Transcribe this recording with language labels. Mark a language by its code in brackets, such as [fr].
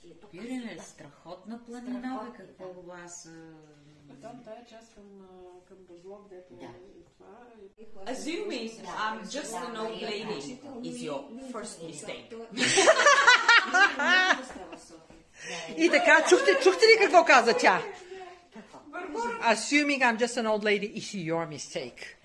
[bg] Пирене, страхотна планина, бе, какво го аз... Там тая част към Бъзлог, дето е това... [en] Assume me, I'm just an old lady, is your first mistake. [bg] И така, чухте ли какво каза тя? [en] Assuming I'm just an old lady, is your mistake.